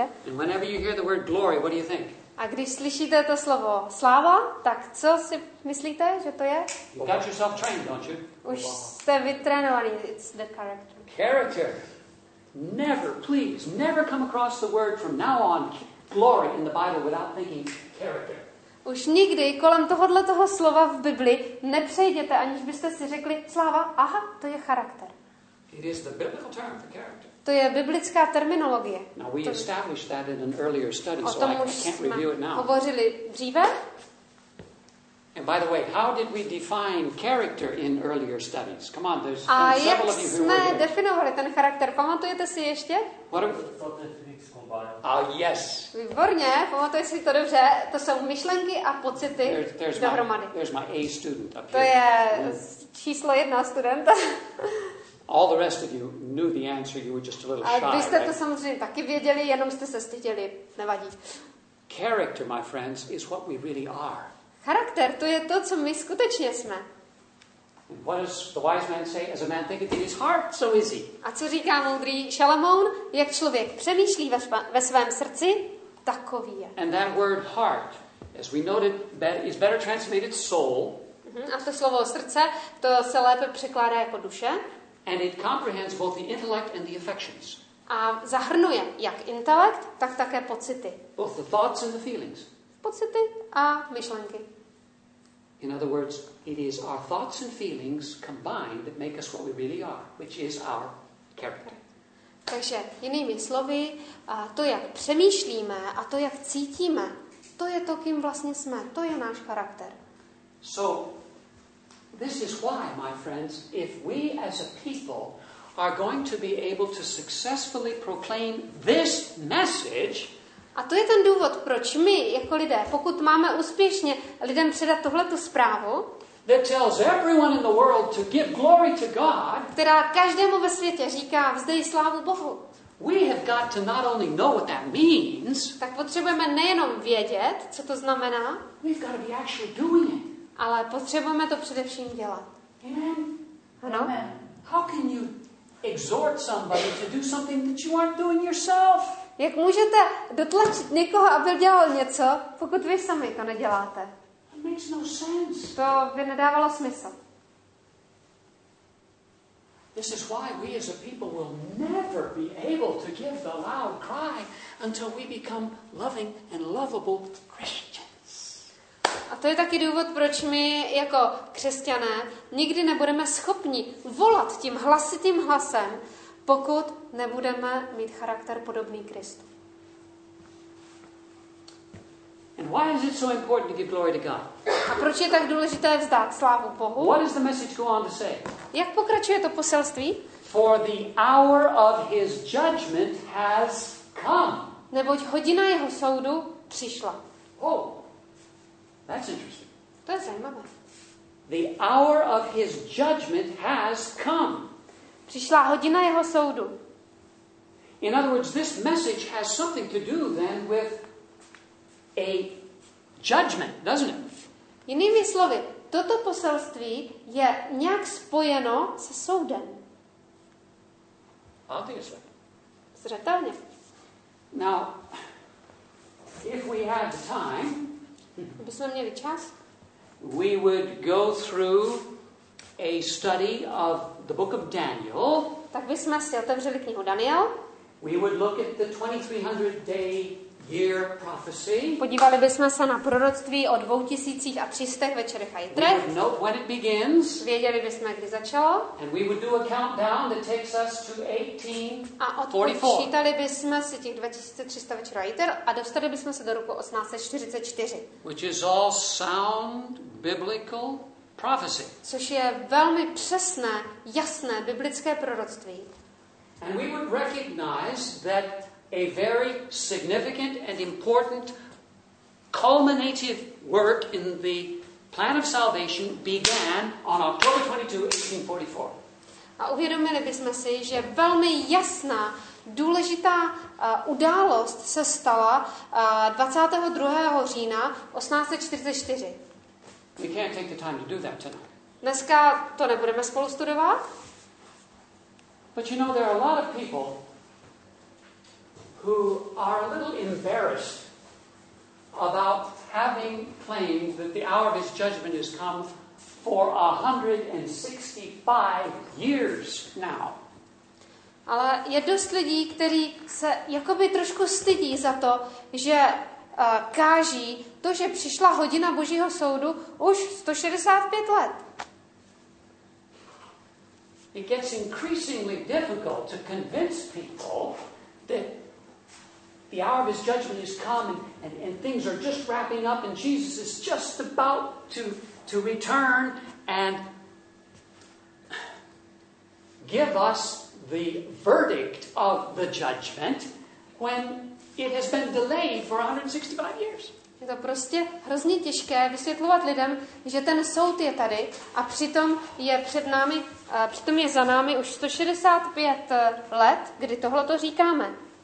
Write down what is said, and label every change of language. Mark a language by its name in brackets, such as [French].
[English] And whenever you hear the word glory, what do you think? [Czech] A když slyšíte to slovo sláva, tak co si myslíte, že to je? [English] You've got yourself trained, don't you? [Czech] Už jste vytrénovaný. [English] It's the character. Character. Never, please, never come across the word from now on glory in the Bible without thinking character. [Czech] Už nikdy kolem tohohle toho slova v Bibli nepřejděte, aniž byste si řekli sláva, aha, to je charakter. [English] It is the biblical term for character. [Czech] To je biblická terminologie. [English] Now we established that in an earlier study, so I can't review it now. [Czech] Hovořili dříve. [English] And by the way, how did we define character in earlier studies? Come on, there's a several of you who were [Czech] jsme definovali ten charakter? Pamatujete si ještě? [English] What are thoughts combined? Oh, yes. [Czech] Výborně, pamatuješ si to dobře. To jsou myšlenky a pocity dohromady. [English] There's my A student up here. [Czech] To je číslo jedna student. [English] All the rest of you knew the answer, you were just a little shy. [Czech] A vy jste to [English] right? [Czech] samozřejmě taky věděli, jenom jste se styděli. Nevadí. [English] Character, my friends, is what we really are. [Czech] Charakter, to je to, co my skutečně jsme. [English] What does the wise man say? As a man thinketh in his heart, so is he. [Czech] A co říká moudrý Šalamoun? Jak člověk přemýšlí ve svém srdci, takový je. [English] And that word heart, as we noted, is better translated soul. [Czech] A to slovo srdce, to se lépe překládá jako duše. [English] And it comprehends both the intellect and the affections. [Czech] A zahrnuje jak intelekt, tak také pocity. [English] Both the thoughts and the feelings. [Czech] Pocity a myšlenky. [English] In other words, it is our thoughts and feelings combined that make us what we really are, which is our character. [Czech] Takže jinými slovy, to jak přemýšlíme a to jak cítíme, to je to, kým vlastně jsme, to je náš charakter. [English] So this is why, my friends, if we as a people are going to be able to successfully proclaim this message. [Czech] A to je ten důvod, proč my jako lidé, pokud máme úspěšně lidem předat tohleto zprávu, [English] that tells everyone in the world to give glory to God, [Czech] která každému ve světě říká vzdej slávu Bohu. [English] We have got to not only know what that means. [Czech] Tak potřebujeme nejenom vědět, co to znamená. [English] We've got to be actually doing it. [Czech] Ale potřebujeme to především dělat. [English] Amen. [Czech] Ano. [English] Amen. How can you exhort somebody to do something that you aren't doing yourself? [Czech] Jak můžete dotlačit někoho, aby dělal něco, pokud vy sami to neděláte? [English] It makes no sense. [Czech] To by nedávalo smysl. [English] This is why we as a people will never be able to give the loud cry until we become loving and lovable Christians. [Czech] A to je taky důvod, proč my jako křesťané nikdy nebudeme schopni volat tím hlasitým hlasem, pokud nebudeme mít charakter podobný Kristu. [English] And why is it so important to give glory to God? [Czech] A proč je tak důležité vzdát slávu Bohu? [English] What does the message go on to say? [Czech] Jak pokračuje to poselství? [English] For the hour of his judgment has come. [Czech] Neboť hodina jeho soudu přišla. [English] Oh. That's interesting. [Czech] To je zajímavé. [English] The hour of his judgment has come. [Czech] Přišla hodina jeho soudu. [English] In other words, this message has something to do then with a judgment, doesn't it? [Czech] Jinými slovy, toto poselství je nějak spojeno se soudem. [English] Obviously. [Czech] Zřetelně. [English] Now, if we had the time, [Czech] kdybychom měli čas, [English] we would go through a study of the book of Daniel. [Czech] Tak bychom si otevřeli knihu Daniel. [English] We would look at the 2300-day-year prophecy. [Czech] Podívali bychom se na proroctví o 2300 večerech a jitrech. [English] We would note when it begins. [Czech] Věděli bychom, kdy začalo. [English] And we would do a countdown that takes us to 1844. [Czech] A odpočítali bychom si těch 2300 večerů a jitr a dostali bychom se do roku 1844. [English] Which is all sound biblical prophecy. [Czech] Což je velmi přesné, jasné biblické proroctví. [English] And we would recognize that a very significant and important culminative work in the plan of salvation began on October 22, 1844. [Czech] A uvědomili bychom si, že velmi jasná, důležitá událost se stala 22. října 1844. [English] We can't take the time to do that tonight. [Czech] Dneska to nebudeme spolu studovat. [English] But you know there are a lot of people who are a little embarrassed about having claimed that the hour of his judgment has come for 165 years now. [Czech] Ale je dost lidí, kteří se jakoby trošku stydí za to, že káží to, že přišla hodina Božího soudu už 165 let. [English] It gets increasingly difficult to convince people that the hour of his judgment is come and things are just wrapping up and Jesus is just about to return and give us the verdict of the judgment when it has been delayed for 165 years. [Czech] Je to prostě hrozně těžké vysvětlovat lidem, že ten soud je tady a přitom je před námi, přitom je za námi už 165 let, kdy tohle to říkáme.